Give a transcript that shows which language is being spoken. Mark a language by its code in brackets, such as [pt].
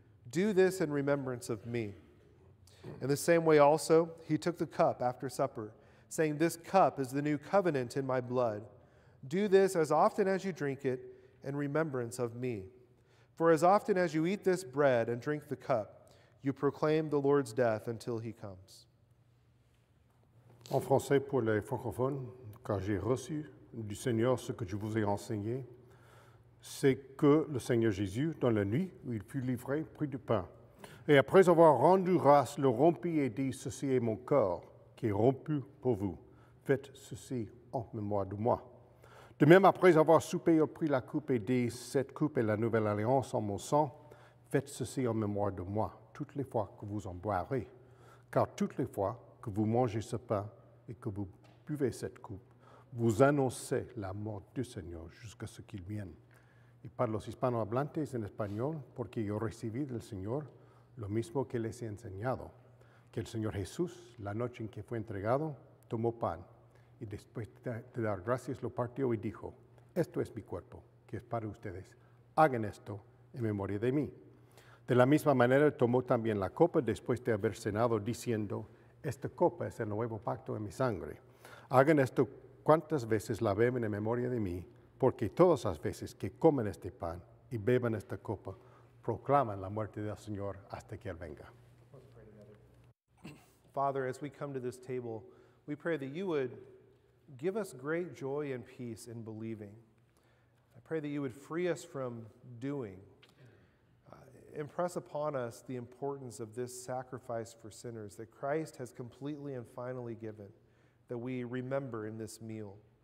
[en] Do this in remembrance of me.' In the same way also, he took the cup after supper, saying, 'This cup is the new covenant in my blood. Do this as often as you drink it in remembrance of me. For as often as you eat this bread and drink the cup, you proclaim the Lord's death until he comes.'" [fr] En français pour les francophones, car j'ai reçu du Seigneur ce que je vous ai enseigné, c'est que le Seigneur Jésus, dans la nuit où il fut livré, prit du pain. Et après avoir rendu grâce, le rompit et dit, « Ceci est mon corps qui est rompu pour vous. Faites ceci en mémoire de moi. » De même, après avoir soupé, il prit la coupe et dit, « Cette coupe est la nouvelle alliance en mon sang. Faites ceci en mémoire de moi. » Toutes les fois que vous en boirez, car toutes les fois que vous mangez ce pain et que vous buvez cette coupe, vous annoncez la mort du Seigneur jusqu'à ce qu'il vienne. [es] Y para los hispanohablantes en español, porque yo recibí del Señor lo mismo que les he enseñado, que el Señor Jesús, la noche en que fue entregado, tomó pan, y después de dar gracias lo partió y dijo, esto es mi cuerpo, que es para ustedes, hagan esto en memoria de mí. De la misma manera, tomó también la copa después de haber cenado, diciendo, esta copa es el nuevo pacto en mi sangre. Hagan esto cuantas veces la beben en memoria de mí, porque todas las veces que comen este pan y beban esta copa, proclaman la muerte del Señor hasta que Él venga. [en] Father, as we come to this table, we pray that you would give us great joy and peace in believing. I pray that you would free us from doing. Impress upon us the importance of this sacrifice for sinners that Christ has completely and finally given, that we remember in this meal.